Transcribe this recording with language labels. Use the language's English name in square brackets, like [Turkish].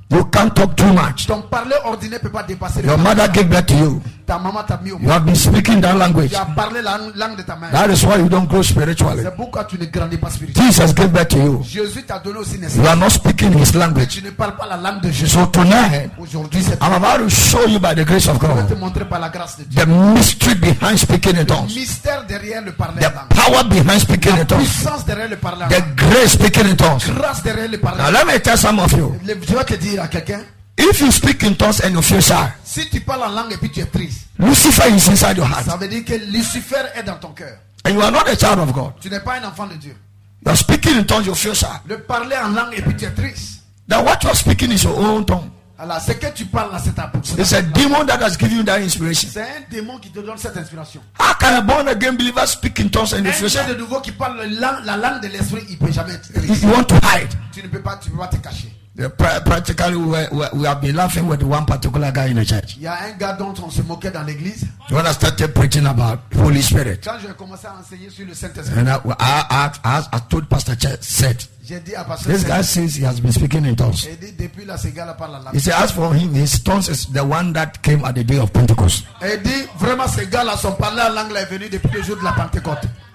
[English] You can't talk too much. [French] Ton parler ordinaire peut pas dépasser [English] your mother gave birth to you. [French] Ta maman t'a mis au [English] you have been speaking that language. [French] Tu as parlé la langue de ta mère. [English] That is why you don't grow spiritually. [French] C'est pourquoi tu ne grandis pas spirituellement. [English] Jesus gave birth to you. [French] Jésus t'a donné aussi naissance. [English] You are not speaking his language. [French] Tu ne parles pas la langue de Jésus. [English] So tonight, I'm about to show you by the grace of God. The mystery behind speaking in tongues. [French] Le mystère derrière le parler [English] the [French] langue. [English] Power behind speaking [French] la [English] in tongues. [French] Puissance derrière le parler [English] the [French] langue. [English] Grace speaking in tongues. [French] Grâce derrière le parler [English] now let me tell some of you. [French] Je vais te dire à quelqu'un. [English] If you speak in tongues and you feel shy. [French] Si tu parles en langue et puis tu es triste. [English] Lucifer is inside your heart. [French] Ça veut dire que Lucifer est dans ton cœur. [English] And you are not a child of God. [French] Tu n'es pas un enfant de Dieu. [English] You are speaking in tongues, you feel sad. [French] Le parler en langue et puis tu es triste. [English] Now what you are speaking is your own tongue. [French] Alors, ce que tu parles là, c'est ta bouche. [English] It's a demon that has given you that inspiration. [French] C'est un démon qui te donne cette inspiration. [English] How can a born again believer speak in tongues and refuse? [French] De nouveau qui parle la langue de l'esprit, il peut jamais être triste. [English] You want to hide. [French] Tu ne peux pas te cacher. [English] Yeah, practically, we have been laughing with one particular guy in the church. [French] Il y a un gars dont on se moquait dans l'église. [English] When I started preaching about Holy Spirit. [French] Quand j'ai commencé à enseigner sur le [English] Saint-Esprit. And I told Pastor Chet, said. [French] J'ai dit à Pastor [English] this guy says he has been speaking in tongues. [French] Et dit, depuis là, ce gars-là parle en [English] he said, as for him, his tongues is the one that came at the day of Pentecost. [French] Et dit, vraiment, ce gars-là, son parler en langue est venu depuis le jour de la Pentecôte.